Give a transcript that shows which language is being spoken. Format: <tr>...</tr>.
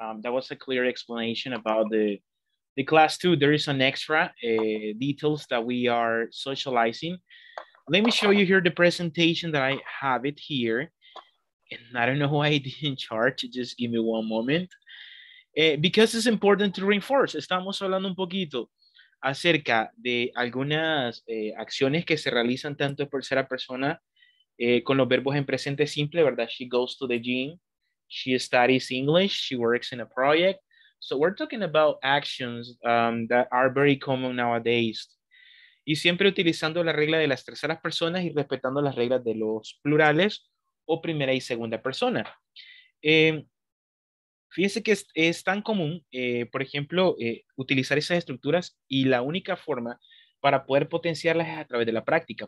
<en>That was a clear explanation about the class too. There is an extra details that we are socializing. Let me show you here the presentation that I have it here. And I don't know why I didn't charge. Just give me one moment. Because it's important to reinforce.</en> <es>Estamos hablando un poquito acerca de algunas acciones que se realizan tanto en tercera persona con los verbos en presente simple, ¿verdad?</es> <en>She goes to the gym. She studies English. She works in a project. So we're talking about actions that are very common nowadays.</en> <es>Y siempre utilizando la regla de las terceras personas y respetando las reglas de los plurales o primera y segunda persona. Fíjense que es tan común, por ejemplo, utilizar esas estructuras y la única forma para poder potenciarlas es a través de la práctica.</es>